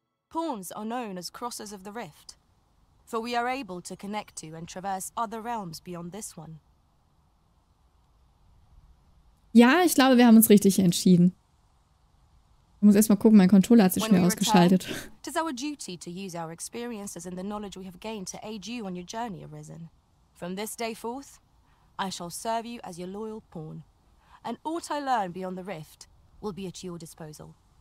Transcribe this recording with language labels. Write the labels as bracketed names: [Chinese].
[English] Pawns are known as Crossers of the Rift. For we are able to connect to and traverse other realms beyond this one. [German] Ja, ich glaube, wir haben uns richtig entschieden. Ich muss erstmal gucken, mein Controller hat sich schon wieder ausgeschaltet. [English] It is our duty to use our experiences and the knowledge we have gained to aid you on your journey, Arisen. From this day forth, I shall serve you as your loyal pawn. And aught I learn beyond the rift will be at your disposal.